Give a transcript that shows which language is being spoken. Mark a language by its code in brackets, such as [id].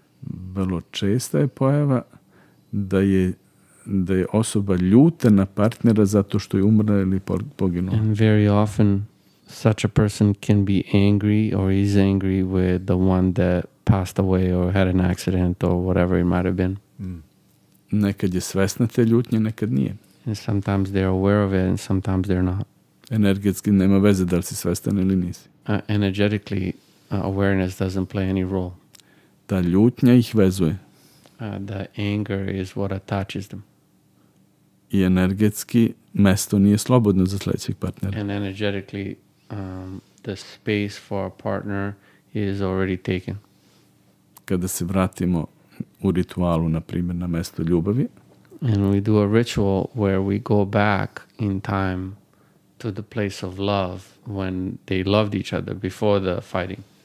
[sr] Vrlo česta je pojava da je osoba ljuta na partnera zato što je umrla ili poginula. [en] And very often such a person can be angry or is angry with the one that passed away or had an accident or whatever it might have been. [sr] Nekad je svesna te ljutnje, nekad nije. [en] And sometimes they're aware of it and sometimes they're not. [sr] Energetski nema veze da li si svestan ili nisi. [en] Energetically, awareness doesn't play any role. [sr] Ta ljutnja ih vezuje. [en] The anger is what attaches them. [sr] I energetski mesto nije slobodno za sledećeg partnera. [en] And energetically, the space for a partner is already taken. [sr] Kada se vratimo u ritualu, na primjer, na mesto ljubavi. [en] And we do a ritual where we go back in time to the place of love when they loved each other before the fighting.